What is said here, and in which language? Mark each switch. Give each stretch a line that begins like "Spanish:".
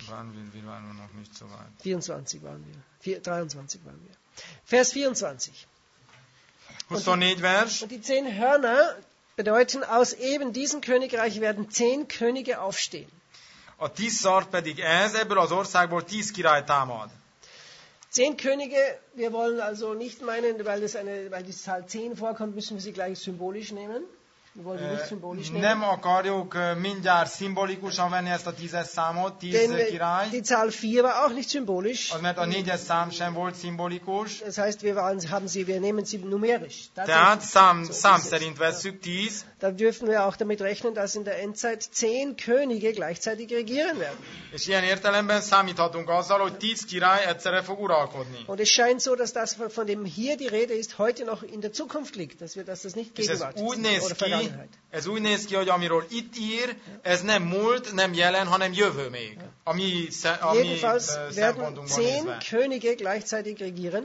German: Wir waren nur noch nicht so weit. 24 waren wir. 23 waren wir. Vers 24.
Hungarian: 24 vers.
German: Und die 10 Hörner bedeuten, aus eben diesem Königreich werden 10 Könige aufstehen.
Hungarian: A 10 szar pedig ez, ebből az országból 10 király támad.
German: 10 Könige, wir wollen also nicht meinen, weil die Zahl 10 vorkommt, müssen wir sie gleich symbolisch nehmen. Wir wollen nicht symbolisch nehmen.
Hungarian: Nem akarjuk mindjárt szimbolikusan venni ezt a 10-es számot, 10 király.
German: Die Zahl 4 war auch nicht symbolisch.
Hungarian: Az, mert a 4-es szám sem volt szimbolikus.
German: Das heißt, wir nehmen sie numerisch.
Hungarian: Tehát szám szerint vesszük 10.
German: Da dürfen wir auch damit rechnen, dass in der Endzeit 10 Könige gleichzeitig regieren werden.
Hungarian: És ilyen értelemben számíthatunk azzal, hogy 10 király egyszerre fog uralkodni.
German: Und es scheint so, dass das, von dem hier die Rede ist, heute noch in der Zukunft liegt, dass das nicht gegenwärtig ist.
Hungarian: Ez úgy néz ki, hogy amiről itt ír, ez nem múlt, nem jelen, hanem jövő még.
German: Jedenfalls werden 10 Könige gleichzeitig regieren.